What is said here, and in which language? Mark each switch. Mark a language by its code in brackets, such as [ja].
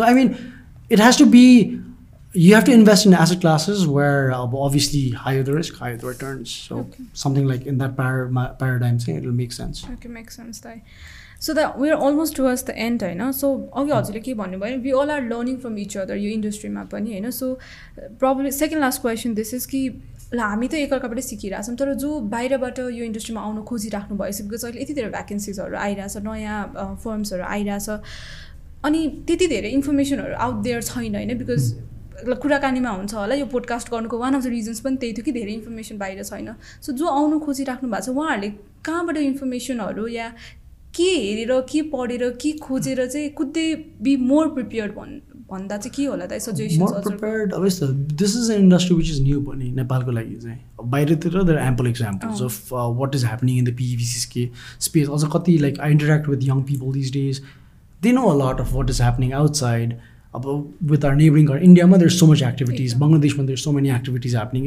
[en] So, it has to be, you have to invest in asset classes where obviously higher the risk, higher the returns. So, okay. Something like in that paradigm, say, it'll make sense. Okay, makes sense. Thai. So that we're almost towards the end, you know. So we all are learning from each other, your industry, you know. So probably second last question, this is [ne] ki ल हामी त एकअर्काबाट सिकिरहेछौँ तर जो बाहिरबाट यो इन्डस्ट्रीमा आउनु खोजिराख्नु भएछ बिकज अहिले यति धेरै भ्याकेन्सिजहरू आइरहेछ नयाँ फर्म्सहरू आइरहेछ अनि त्यति धेरै इन्फर्मेसनहरू आउट देयर छैन होइन बिकज कुराकानीमा हुन्छ होला यो पोडकास्ट गर्नुको वान अफ द रिजन्स पनि त्यही थियो कि धेरै इन्फर्मेसन बाहिर छैन सो जो आउनु खोजिराख्नु भएको छ उहाँहरूले कहाँबाट इन्फर्मेसनहरू या के हेरेर के पढेर के खोजेर चाहिँ कुद दे बी मोर प्रिपेयर्ड भन्नु [en] more prepared, obviously. This is an industry which is new, but [ne] Nepal ko lagi chai. Bahira tira, [en] there are ample examples of what is happening in the PVC space. Also, kati, like, I interact with young people these days. They know a lot of what is happening outside. With our neighboring country, India, there's so much activities. Bangladesh, there's so many activities happening.